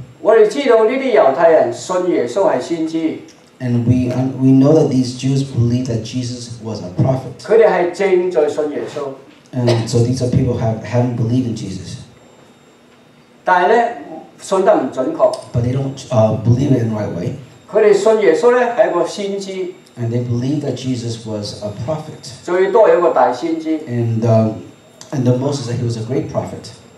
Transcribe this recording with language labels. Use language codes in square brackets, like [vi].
[yue] 我哋知道呢啲猶太人信耶穌係先知。 [en] And we know that these Jews believe that Jesus was a prophet. [yue] 佢哋係正在信耶穌. [en] And so these are people haven't believed in Jesus. [yue] 但係咧，信得唔準確. [en] But they don't believe it in the right way. [yue] 佢哋信耶穌咧係一個先知. [en] And they believe that Jesus was a prophet. [yue] 最多有一個大先知. [en] And the most is that he was a great prophet.